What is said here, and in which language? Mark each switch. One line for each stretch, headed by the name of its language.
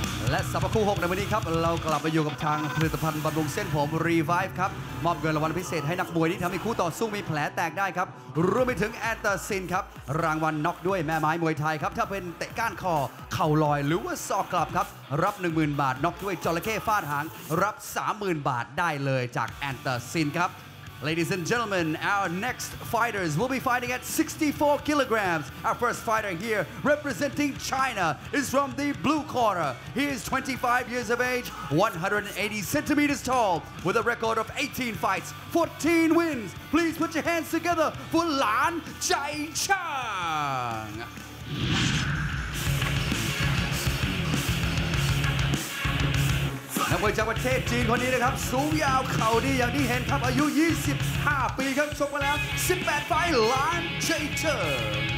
Thai: และสัปดาห์คู่6ในวันนี้ครับเรากลับมาอยู่กับทางผลิตภัณฑ์บำรุงเส้นผมรีไวฟ์ครับมอบเงินรางวัลพิเศษให้นักมวยที่ทำให้คู่ต่อสู้มีแผลแตกได้ครับรวมไปถึงแอนเตอร์ซินครับรางวัลน็อกด้วยแม่ไม้มวยไทยครับถ้าเป็นเตะก้านคอเข่าลอยหรือว่าศอกกลับครับรับ 10,000 บาทน็อกด้วยจระเข้ฟาดหางรับ 30,000 บาทได้เลยจากแอนเตอร์ซินครับ
English: Ladies and gentlemen, our next fighters will be fighting at 64 kilograms. Our first fighter here, representing China, is from the blue corner. He is 25 years of age, 180 centimeters tall, with a record of 18 fights, 14 wins. Please put your hands together for Lan Chai Chang.
Thai: นักมวยจากประเทศจีนคนนี้นะครับสูงยาวเข่าดีอย่างที่เห็นครับอายุ25ปีครับชกมาแล้ว18ไฟท์ลานเจเจอร์